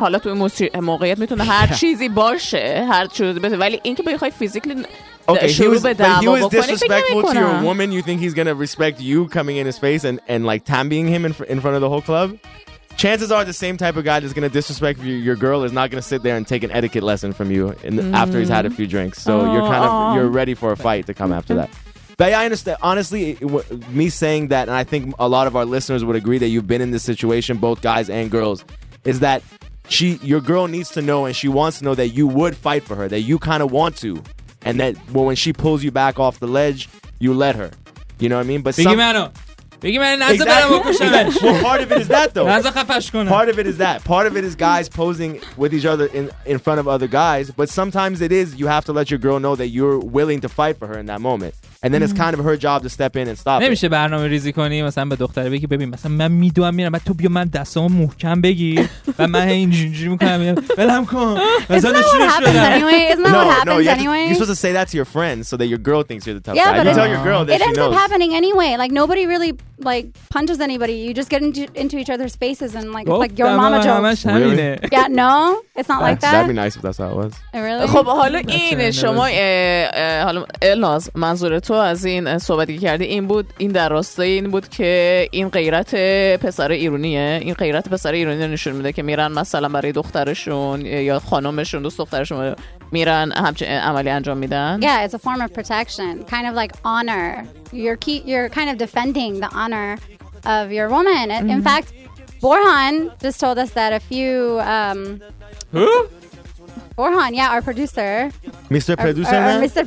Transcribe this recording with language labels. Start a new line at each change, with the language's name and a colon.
Persian: حالا تو موقعیت میتونه هر چیزی باشه، هر چیزی بشه. ولی اینکه بخوای فیزیکلی شروع به دعوا بکنی.
English: But he was disrespectful to your woman. You think he's gonna respect you coming in his face and like tambying him in front of the whole club? Chances are the same type of guy that's going to disrespect your girl is not going to sit there and take an etiquette lesson from you after he's had a few drinks. So you're ready for a fight to come after that. But yeah, I understand. Honestly, me saying that, and I think a lot of our listeners would agree that you've been in this situation, both guys and girls, is that your girl needs to know and she wants to know that you would fight for her, that you kind of want to, and that when she pulls you back off the ledge, you let her. You know what I mean?
Persian: But Biggie Mano. بگی من نزد برم بکشمش.
English: Well, part of it is that though.
Persian: نزد خفش کنم.
English: Part of it is that. Part of it is guys posing with each other in front of other guys. But sometimes it is you have to let your girl know that you're willing to fight for her in that moment. And then it's kind of her job to step in and stop.
Persian: نمیشه برنامه ریزی کنی مثلا به دختر بگی ببین مثلا من میدونم میرم بعد تو بیا من دستامو محکم بگیر و من اینجوری میکنم ولم کن مثلا نشونش بده.
English: Anyway, no, you're supposed to say that to your friends so that your girl thinks you're the tough guy. You tell your girl that she knows. It ends up happening anyway. Like nobody really like punches anybody. You just get into each other's faces and like your mama jokes. Really? Yeah, no. It's not like that. That'd be nice if that's how it was. Really?
Persian: خب حالا این شما حالا الناز منظور تو از این صحبتی کردی این بود، این در راستای این بود که این غیرت پسر ایرانیه، این غیرت پسر ایرانی نشون میده که میرن مثلا برای دخترشون یا خانومشون دوست دخترشون میرن همچین عملی انجام میدن.
English: Yeah, it's a form of protection, kind of like honor. You're kind of defending the honor of your woman. In fact, Borhan just told us that a few Who? Borhan, yeah, our producer. Mr. Producer Man? Mr.